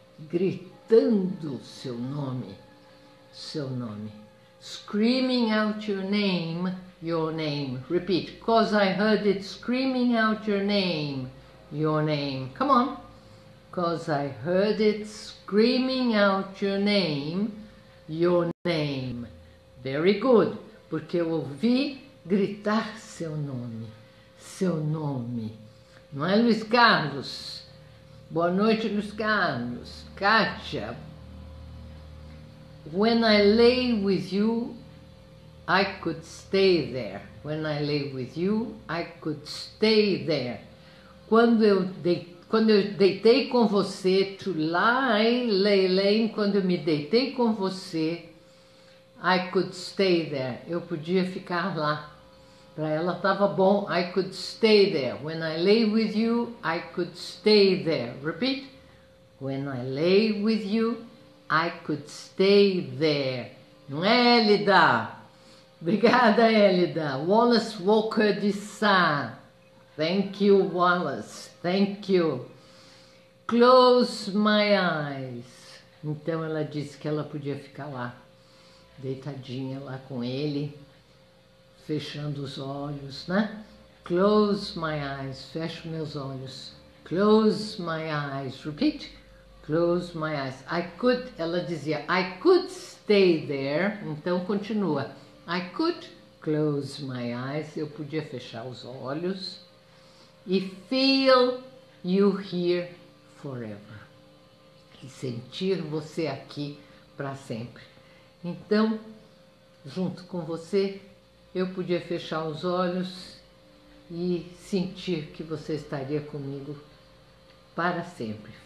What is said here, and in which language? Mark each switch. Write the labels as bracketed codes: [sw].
[pt] Gritando seu nome. Seu nome. [en] Screaming out your name. Your name. Repeat. 'Cause I heard it screaming out your name. Your name. Come on. 'Cause I heard it screaming out your name. Your name. Very good. [pt] Porque eu ouvi gritar seu nome. Seu nome. Não é, Luiz Carlos? Boa noite, Luiz Carlos. Kátia. [en] When I lay with you, I could stay there. When I lay with you, I could stay there. [pt] Quando eu deitei com você, [en] to lie, lay, lay, [pt] quando eu me deitei com você, [en] I could stay there. [pt] Eu podia ficar lá. Para ela estava bom. [en] I could stay there. When I lay with you, I could stay there. Repeat. When I lay with you, I could stay there. [pt] Não é, Elida? Obrigada, Elida. [en] Wallace Walker de Sá. Thank you, Wallace. Thank you. Close my eyes. [pt] Então ela disse que ela podia ficar lá, deitadinha lá com ele, fechando os olhos, né? [en] Close my eyes. [pt] Fecho meus olhos. [en] Close my eyes. Repeat. Close my eyes. I could, [pt] ela dizia, [en] I could stay there. [pt] Então continua. [en] I could close my eyes. [pt] Eu podia fechar os olhos. E [en] feel you here forever. [pt] E sentir você aqui para sempre. Então, junto com você, eu podia fechar os olhos e sentir que você estaria comigo para sempre.